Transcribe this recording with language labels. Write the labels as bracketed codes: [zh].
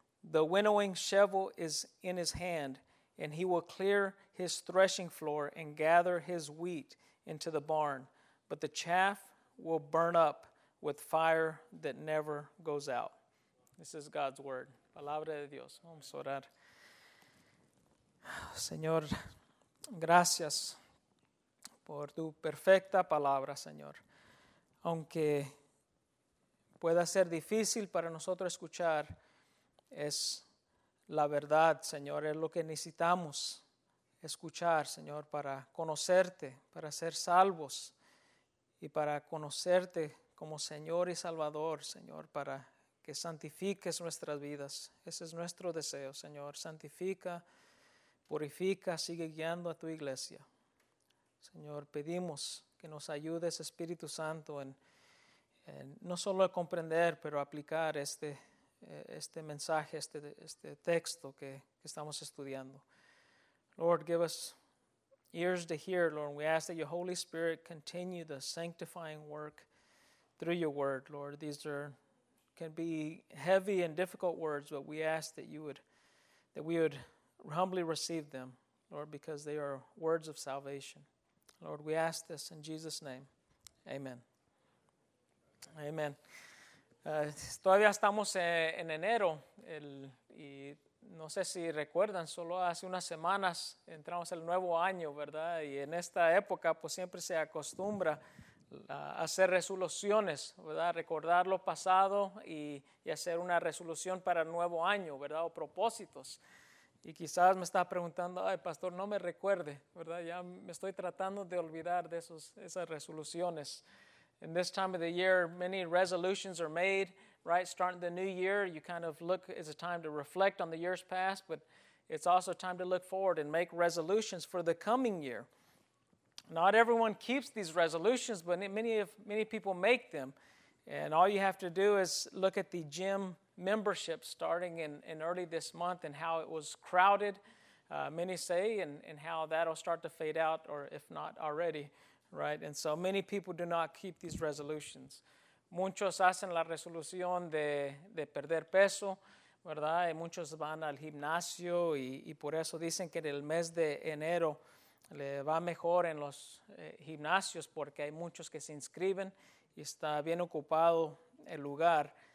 [en] The winnowing shovel is in his hand, and he will clear his threshing floor and gather his wheat into the barn, but the chaff will burn up with fire that never goes out. This is God's word. [es] Palabra de Dios. Vamos a orar. Señor, gracias por tu perfecta palabra, Señor. Aunque pueda ser difícil para nosotros escuchar, es la verdad, Señor, es lo que necesitamos escuchar, Señor, para conocerte, para ser salvos y para conocerte como Señor y Salvador, Señor, para que santifiques nuestras vidas. Ese es nuestro deseo, Señor. Santifica, purifica, sigue guiando a tu iglesia. Señor, pedimos que nos ayudes, Espíritu Santo, en no solo a comprender, pero a aplicar este mensaje, este texto que estamos estudiando. [en] Lord, give us ears to hear, Lord, and we ask that your Holy Spirit continue the sanctifying work through your word, Lord. Can be heavy and difficult words, but we ask that we would humbly receive them, Lord, because they are words of salvation. Lord, we ask this in Jesus' name. Amen. Amen. [es] Todavía estamos en enero, y no sé si recuerdan, solo hace unas semanas entramos el nuevo año, ¿verdad? Y en esta época, pues siempre se acostumbra a hacer resoluciones, ¿verdad? Recordar lo pasado y hacer una resolución para el nuevo año, ¿verdad? O propósitos. Y quizás me está preguntando, ay, pastor, no me recuerde, ¿verdad? Ya me estoy tratando de olvidar de esas resoluciones. [en] In this time of the year, many resolutions are made, right? Starting the new year, you kind of look, it's a time to reflect on the year's past, but it's also time to look forward and make resolutions for the coming year. Not everyone keeps these resolutions, but many people make them. And all you have to do is look at the gym membership starting in early this month and how it was crowded, many say, and how that'll start to fade out, or if not already, right? And so many people do not keep these resolutions. [es] Muchos hacen la resolución de perder peso, ¿verdad? Y muchos van al gimnasio y por eso dicen que en el mes de enero le va mejor en los gimnasios porque hay muchos que se inscriben y está bien ocupado el lugar.